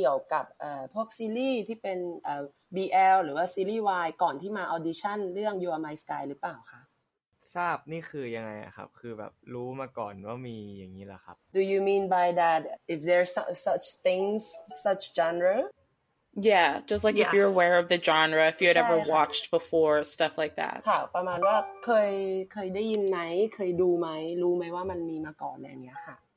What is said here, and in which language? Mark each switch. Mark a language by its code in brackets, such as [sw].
[th] ทั้งคุณเต้กับคุณเสือเลยได้ทราบเกี่ยวกับพวกซีรีส์ที่เป็น BL หรือว่า ซีรีส์ Y ก่อนที่มาออดิชั่นเรื่อง You Are My Sky หรือเปล่าคะทราบนี่คือยังไงอ่ะครับคือแบบรู้มาก่อนว่ามีอย่างนี้ล่ะครับ [en] Do you mean by that if there's such things such genre? Yeah, just like if you're aware of the genre, if you had ever watched before, stuff like that. [th] ค่ะประมาณว่าเคยได้ยินไหมเคยดูไหมรู้ไหมว่ามันมีมาก่อนอะไรอย่างเงี้ยค่ะ